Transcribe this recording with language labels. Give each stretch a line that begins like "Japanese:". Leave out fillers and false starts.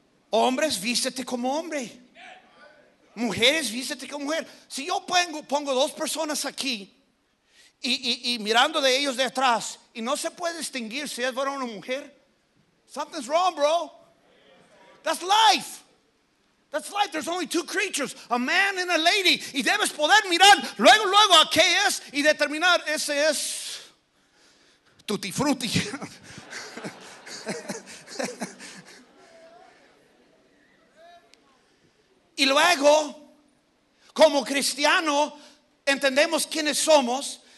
Spanish: Hombres, vístete como hombre. Mujeres, vístete como mujer. Si yo pongo dos personas aquí y mirando de ellos de atrás y no se puede distinguir si es varón o mujer,
English: something's wrong, bro. That's life. That's life. There's only two creatures, a man and a lady.
Spanish: Y debes poder mirar luego, luego a qué es y determinar ese es tutti frutti. Y luego, como cristiano, entendemos quiénes somos.